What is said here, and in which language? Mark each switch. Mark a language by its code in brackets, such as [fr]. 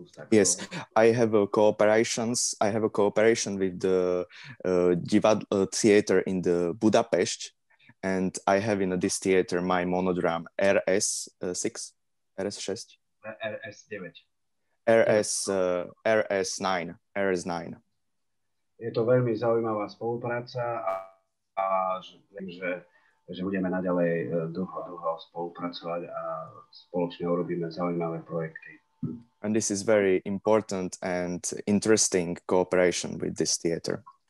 [en] Yes, I have a cooperation with the divadle theater in the Budapest. And I have in this theater my monodrama RS9. [sk] Je to veľmi zaujímavá spolupráca a viem, že budeme naďalej dlho spolupracovať a spoločne urobíme zaujímavé projekty. [en] And this is very important and interesting cooperation with this theater.